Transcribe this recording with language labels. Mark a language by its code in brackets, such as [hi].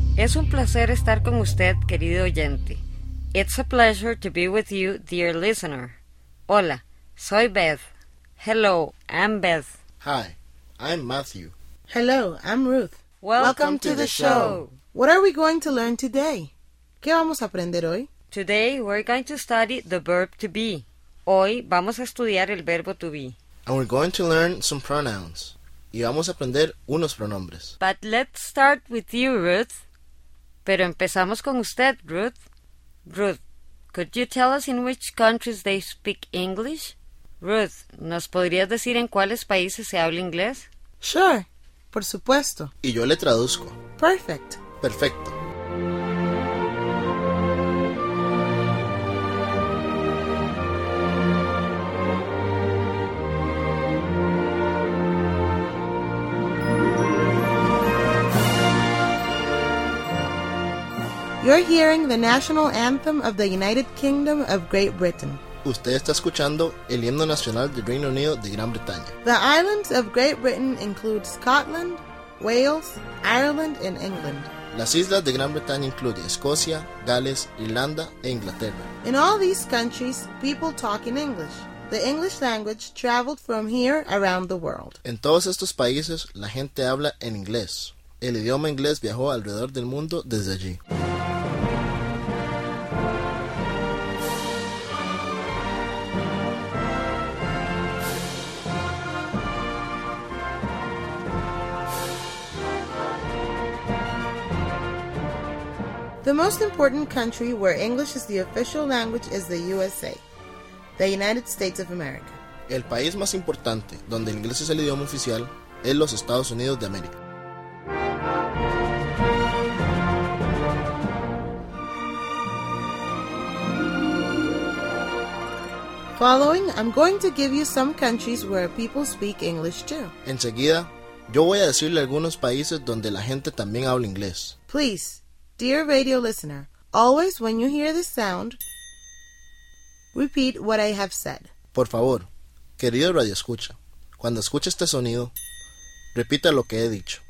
[es] Es un placer estar con usted, querido oyente. [en] It's a pleasure to be with you, dear listener. [es] Hola, soy Beth. [en] Hello, I'm Beth. Hi, I'm Matthew. Hello, I'm Ruth. Welcome to the show. What are we going to learn today? [es] ¿Qué vamos a aprender hoy? [en] Today we're going to study the verb to be. [es] Hoy vamos a estudiar el verbo to be. [en] And we're going to learn some pronouns. [es] Y vamos a aprender unos pronombres. [en] But let's start with you, Ruth. [es] Pero empezamos con usted, Ruth. [en] Ruth, could you tell us in which countries they speak English? [es] Ruth, ¿nos podrías decir en cuáles países se habla inglés? [en] Sure, [es] por supuesto. Y yo le traduzco. [en] Perfect. [es] Perfecto. [en] You're hearing the national anthem of the United Kingdom of Great Britain. [es] Usted está escuchando el himno nacional del Reino Unido de Gran Bretaña. [en] The islands of Great Britain include Scotland, Wales, Ireland, and England. [es] Las islas de Gran Bretaña incluyen Escocia, Gales, Irlanda e Inglaterra. [en] In all these countries, people talk in English. The English language traveled from here around the world. [es] En todos estos países, la gente habla en inglés. El idioma inglés viajó alrededor del mundo desde allí. [en] The most important country where English is the official language is the USA, the United States of America. [es] El país más importante donde el inglés es el idioma oficial es los Estados Unidos de América. [en] Following, I'm going to give you some countries where people speak English too. [es] Enseguida, yo voy a decirle algunos países donde la gente también habla inglés. [en] Please. Dear radio listener, always when you hear this sound, repeat what I have said. [es] Por favor, querido radioescucha, cuando escuche este sonido, repita lo que he dicho.